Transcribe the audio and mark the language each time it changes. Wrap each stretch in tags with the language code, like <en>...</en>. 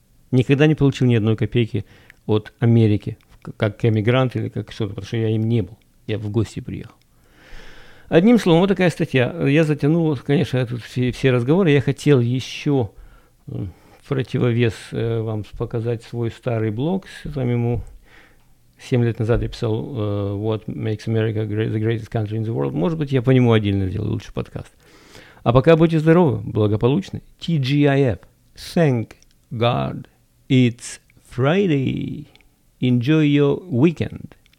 <ru>Никогда не получил ни одной копейки от Америки, как эмигрант или как что-то, потому что я им не был. Я в гости приехал. Одним словом, вот такая статья. Я затянул, конечно, тут все разговоры. Я хотел еще противовес вам показать свой старый блог. Там ему 7 лет назад я писал</ru> <en>«What makes America the greatest country in the world».</en> <ru>Может быть, я по нему отдельно сделаю лучший подкаст. А пока будьте здоровы, благополучны.</ru> <en>TGIF. Thank God it's Friday. Enjoy your weekend.</en>